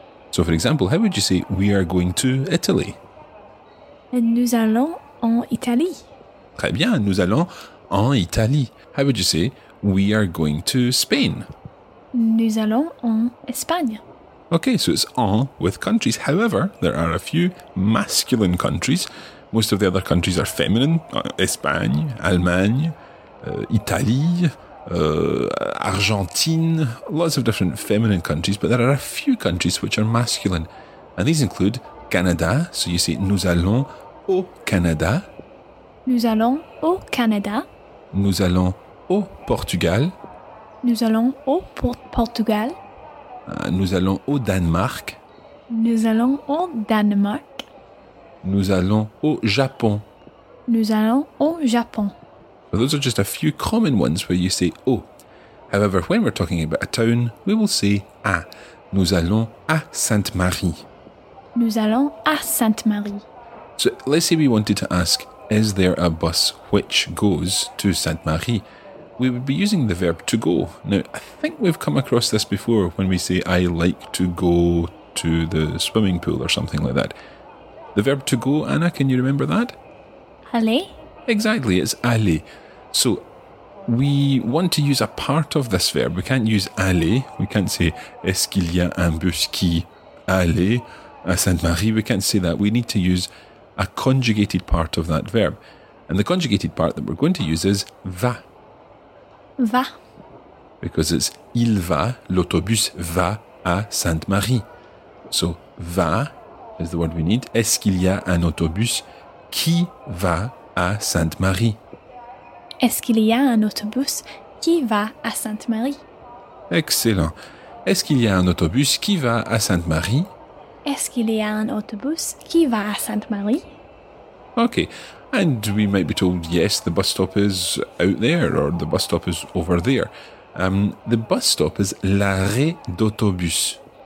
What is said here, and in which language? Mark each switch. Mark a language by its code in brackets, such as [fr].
[en] So for example, how would you say we are going to Italy? [fr] Nous allons en Italie. Très bien, nous allons en Italie. [en] How would you say we are going to Spain? [fr] Nous allons en Espagne. [en] Okay, so it's en with countries. However, there are a few masculine countries. Most of the other countries are feminine. Espagne, Allemagne, Italie, Argentine, lots of different feminine countries, but there are a few countries which are masculine. And these include Canada, so you say [fr] nous allons au Canada. Nous allons au Canada. Nous allons au Portugal. Nous allons au Portugal. Nous allons au Danemark. Nous allons au Danemark. Nous allons au Japon. Nous allons au Japon. [en] So those are just a few common ones where you say au. However, when we're talking about a town, we will say à. [fr] Nous allons à Sainte-Marie. Nous allons à Sainte-Marie. [en] So let's say we wanted to ask, is there a bus which goes to Sainte-Marie? We would be using the verb to go. Now, I think we've come across this before when we say I like to go to the swimming pool or something like that. The verb to go, Anna, can you remember that? [fr] Allez. [en] Exactly, it's aller. So we want to use a part of this verb. We can't use aller. We can't say, [fr] est-ce qu'il y a un bus qui aller à Sainte-Marie? [en] We can't say that. We need to use a conjugated part of that verb. And the conjugated part that we're going to use is va. [fr] Va. [en] Because it's [fr] il va, l'autobus va à Sainte-Marie. [en] So va is the word we need. [fr] Est-ce qu'il y a un autobus qui va à Sainte-Marie. Est-ce qu'il y a un autobus qui va à Sainte-Marie? [en] Excellent. [fr] Est-ce qu'il y a un autobus qui va à Sainte-Marie? Est-ce qu'il y a un autobus qui va à Sainte-Marie? [en] Okay. And we might be told, yes, the bus stop is out there or the bus stop is over there. The bus stop is l'arrêt d'autobus.